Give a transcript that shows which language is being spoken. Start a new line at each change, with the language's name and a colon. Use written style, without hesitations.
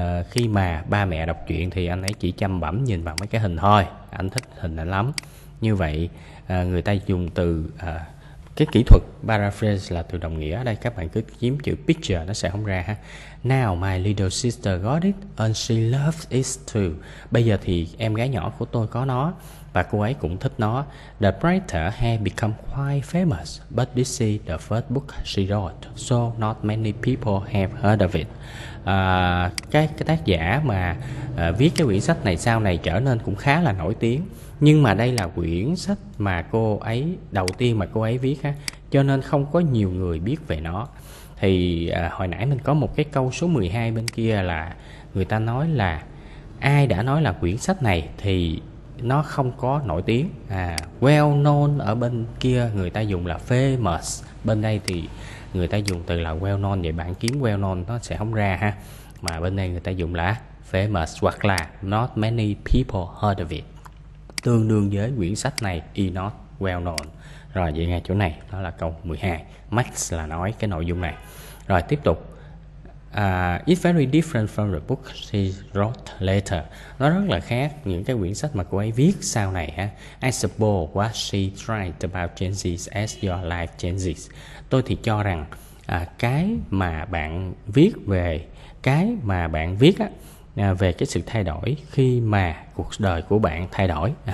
Vietnamese: Khi mà ba mẹ đọc truyện thì anh ấy chỉ chăm bẵm nhìn vào mấy cái hình thôi, anh thích hình ảnh lắm. Như vậy người ta dùng từ cái kỹ thuật paraphrase là từ đồng nghĩa. Ở đây các bạn cứ kiếm chữ picture nó sẽ không ra ha.
English: Now my little sister got it and she loves it too.
Vietnamese: Bây giờ thì em gái nhỏ của tôi có nó và cô ấy cũng thích nó.
English: The writer had become quite famous, but this is the first book she wrote, so not many people have heard of it.
Vietnamese: Cái tác giả mà viết cái quyển sách này sau này trở nên cũng khá là nổi tiếng. Nhưng mà đây là quyển sách mà cô ấy đầu tiên mà cô ấy viết ha, cho nên không có nhiều người biết về nó. Thì hồi nãy mình có một cái câu số 12 bên kia là người ta nói là ai đã nói là quyển sách này thì nó không có nổi tiếng. Well known ở bên kia người ta dùng là famous, bên đây thì người ta dùng từ là well known. Vậy bạn kiếm well known nó sẽ không ra ha, mà bên đây người ta dùng là famous hoặc là
English: not many people heard of it,
Vietnamese: tương đương với quyển sách này
English: is not well known.
Vietnamese: Rồi vậy ngay chỗ này đó là câu 12, Max là nói cái nội dung này. Rồi tiếp tục.
English: It's very different from the book she wrote later.
Vietnamese: Nó rất là khác những cái quyển sách mà cô ấy viết sau này ha.
English: I suppose what she tried about changes as your life changes.
Vietnamese: Tôi thì cho rằng cái mà bạn viết về cái mà bạn viết á, về cái sự thay đổi khi mà cuộc đời của bạn thay đổi.